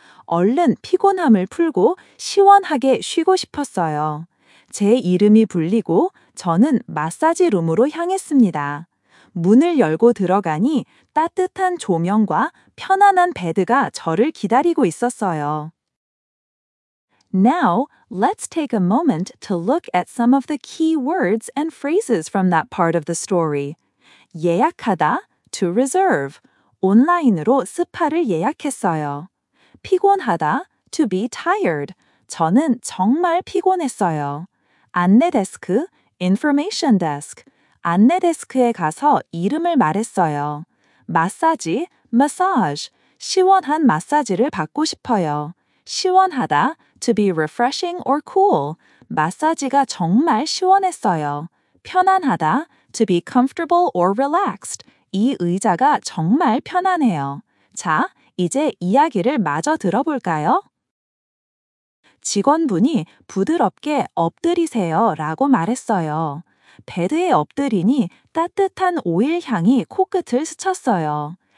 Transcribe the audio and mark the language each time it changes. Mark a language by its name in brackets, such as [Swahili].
[Korean] 얼른 피곤함을 풀고 시원하게 쉬고 싶었어요. 제 이름이 불리고 저는 마사지 룸으로 향했습니다. 문을 열고 들어가니 따뜻한 조명과 편안한 베드가 저를 기다리고 있었어요. [English] Now, let's take a moment to look at some of the key words and phrases from that part of the story. 예약하다, to reserve. [Korean] 온라인으로 스파를 예약했어요. [English] 피곤하다, to be tired. [Korean] 저는 정말 피곤했어요. [English] 안내데스크, information desk. [Korean] 안내데스크에 가서 이름을 말했어요. 마사지, massage. 시원한 마사지를 받고 싶어요. [English] 시원하다, to be refreshing or cool. [Korean] 마사지가 정말 시원했어요. [English] 편안하다, to be comfortable or relaxed. [Korean] 이 의자가 정말 편안해요. 자, 이제 이야기를 마저 들어볼까요? 직원분이 부드럽게 엎드리세요 라고 말했어요. 베드에 엎드리니 따뜻한 오일 향이 코끝을 스쳤어요.